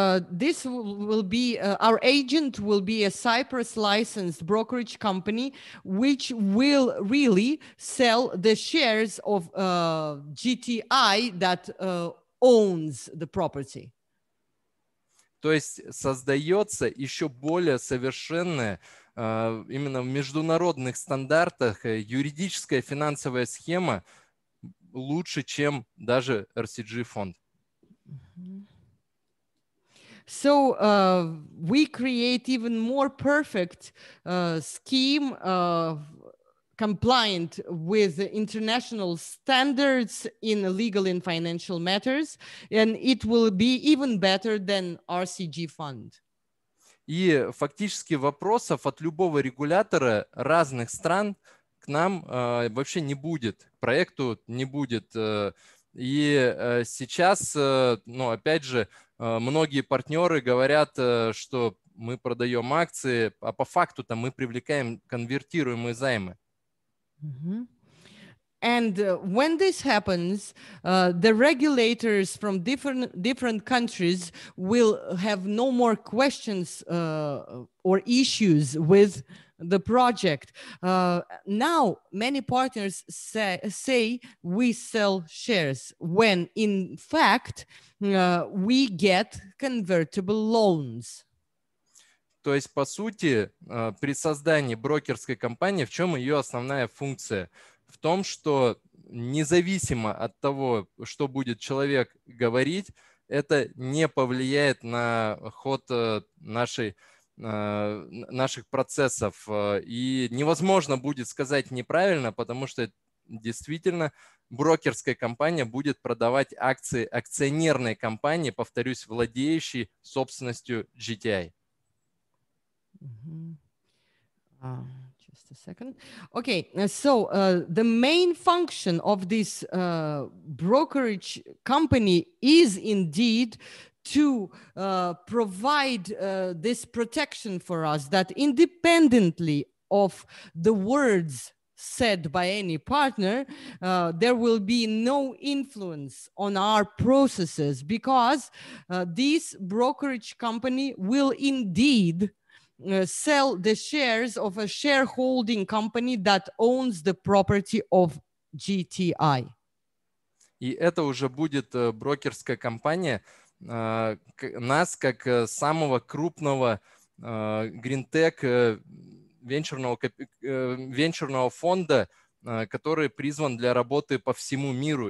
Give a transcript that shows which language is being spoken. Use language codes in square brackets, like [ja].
[en] This will be our agent will be a Cyprus licensed brokerage company, which will really sell the shares of GTI that owns the property. [ru] То есть создается еще более совершенная именно в международных стандартах юридическая финансовая схема лучше, чем даже RCG фонд. [en] So we create even more perfect scheme compliant with international standards in legal and financial matters, and it will be even better than RCG fund. [ru] И фактически вопросов от любого регулятора разных стран к нам вообще не будет, к проекту не будет. И сейчас, ну, опять же, многие партнеры говорят, что мы продаем акции, а по факту-то мы привлекаем конвертируемые займы. Mm-hmm. [en] And when this happens, the regulators from different countries will have no more questions or issues with the project. Now, many partners say we sell shares when, in fact, we get convertible loans. [ru] То есть, по сути, при создании брокерской компании, в чем ее основная функция? В том, что независимо от того, что будет человек говорить, это не повлияет на ход наших процессов. И невозможно будет сказать неправильно, потому что действительно брокерская компания будет продавать акции акционерной компании, повторюсь, владеющей собственностью GTI. [en] Mm-hmm. Just a second. Okay, so the main function of this brokerage company is indeed to provide this protection for us, that independently of the words said by any partner, there will be no influence on our processes, because this brokerage company will indeed sell the shares of a shareholding company that owns the property of GTI. [ru] И это уже будет брокерская компания нас как самого крупного гринтек венчурного фонда, который призван для работы по всему миру.